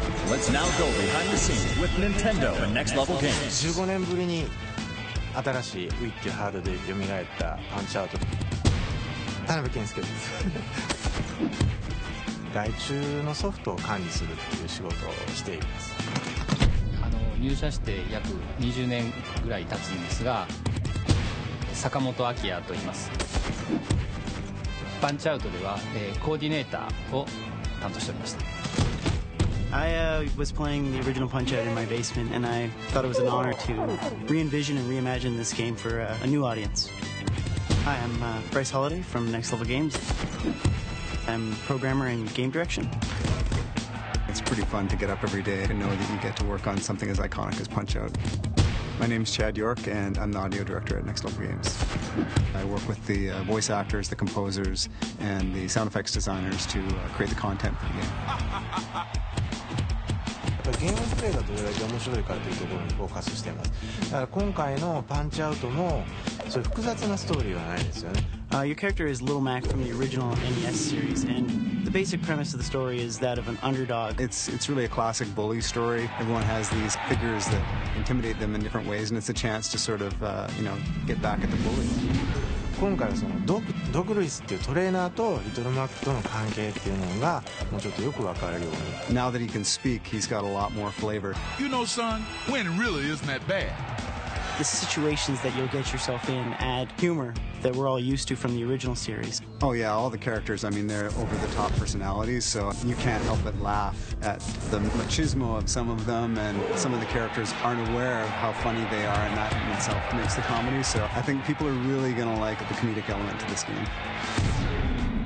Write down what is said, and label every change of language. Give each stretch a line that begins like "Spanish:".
English: Let's now go behind the scenes with Nintendo and Next Level Games.
Japanese: 15年ぶりに新しいウィッチハードで蘇ったパンチアウト。田辺健介です。外注のソフトを管理するっていう仕事をしています。入社して約20年ぐらい経つんですが、坂本明也と言います。パンチアウトでは、コーディネーターを担当しておりました。
English: I、was playing the original Punch Out in my basement and I thought it was an honor to re-envision and re-imagine this game for a new audience. Hi, I'm、Bryce Holiday from Next Level Games. I'm programmer in game direction. It's pretty fun to get up every day and know that you get to work on something as iconic as Punch-Out. My name is Chad York, and I'm the audio director at Next Level Games. I work with the voice actors, the composers, and the sound effects designers to create the content for the game. The game is played to be very interesting, and I focus on that. So, this Punch-Out is not a complex story. Your character is Little Mac from the original NES series, and... The basic premise of the story is that of an underdog. It's really a classic bully story. Everyone has these figures that intimidate them in different ways, and it's a chance to sort of, you know, get back at the bully.
Japanese: 今回はそのドクルイスっていうトレーナーとリトルマックとの関係っていうのがもうちょっとよく分かれるように。
English: Now that he can speak, he's got a lot more flavor. You know, son, winning really isn't that bad. The situations that you'll get yourself in add humor that we're all used to from the original series. Oh yeah, all the characters, I mean, they're over-the-top personalities, so you can't help but laugh at the machismo of some of them, and some of the characters aren't aware of how funny they are, and that in itself makes the comedy, so I think people are really going to like the comedic element to this game.